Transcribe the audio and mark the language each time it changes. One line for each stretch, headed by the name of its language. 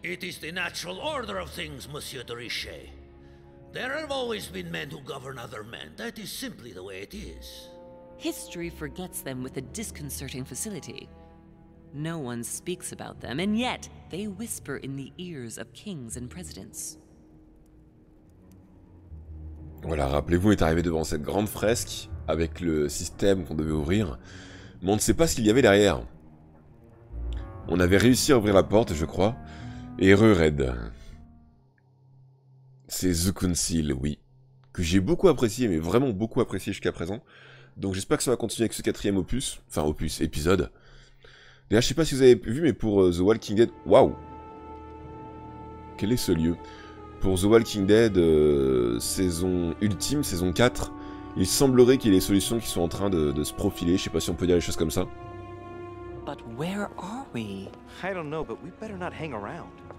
English: It is the natural order of things, Monsieur de Richet. There have always been men who govern other men. That is simply the way it is. History forgets them with a disconcerting facility. No one speaks about them, and yet they whisper in the ears of kings and presidents.
French: Voilà, rappelez-vous, on est arrivé devant cette grande fresque avec le système qu'on devait ouvrir, mais on ne sait pas ce qu'il y avait derrière. On avait réussi à ouvrir la porte, je crois. Erreur Red. C'est The Council, oui. Que j'ai beaucoup apprécié, mais vraiment beaucoup apprécié jusqu'à présent. Donc j'espère que ça va continuer avec ce quatrième opus. Enfin, opus, épisode. D'ailleurs, je sais pas si vous avez vu, mais pour The Walking Dead... Waouh! Quel est ce lieu? Pour The Walking Dead, saison ultime, saison 4, il semblerait qu'il y ait des solutions qui sont en train de se profiler. Je sais pas si on peut dire des choses comme ça.
English: But where are we? I don't know, but we better not hang around.